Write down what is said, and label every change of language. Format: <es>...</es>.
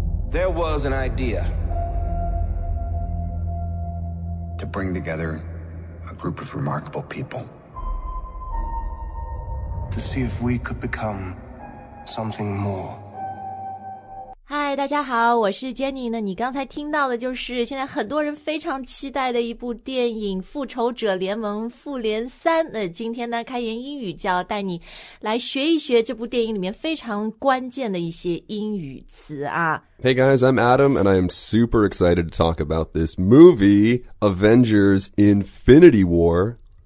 <en>There was an idea to bring together a group of remarkable people to see if we could become something more.</en> <zh>Hi, 大家好，我是 Jenny 呢。你刚才听到的就是现在很多人非常期待的一部电影《复仇者联盟：复联三》。今天呢，开言英语就要带你来学一学这部电影里面非常关键的一些英语词啊。</zh> <en>Hey guys, I'm Adam, and I am super excited to talk about this movie, Avengers: Infinity War.</en>